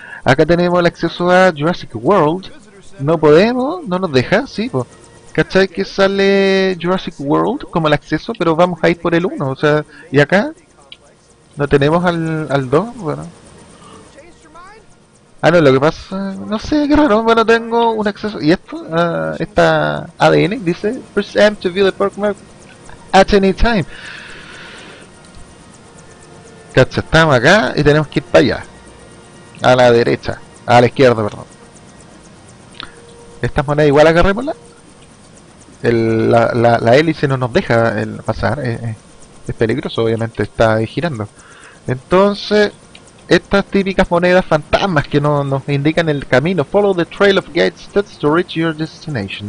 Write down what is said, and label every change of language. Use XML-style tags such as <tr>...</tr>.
<es>Acá tenemos el acceso a Jurassic World. No podemos, no nos deja, sí, pues. ¿Cachai? Que sale Jurassic World como el acceso, pero vamos a ir por el 1, o sea, y acá no tenemos al 2, bueno. Ah, no, lo que pasa, no sé, qué raro. Bueno, tengo un acceso. ¿Y esto? Esta ADN dice:</es> <en>Press M to view the park map at any time.</en> <es>Cacha, estamos acá y tenemos que ir para allá. A la derecha. A la izquierda, perdón. ¿Estas monedas igual agarrémoslas? La hélice no nos deja pasar. Es peligroso, obviamente, está girando. Entonces. Estas típicas monedas fantasmas que no nos indican el camino.</es> <en>Follow the trail of guide steps to reach your destination.</en>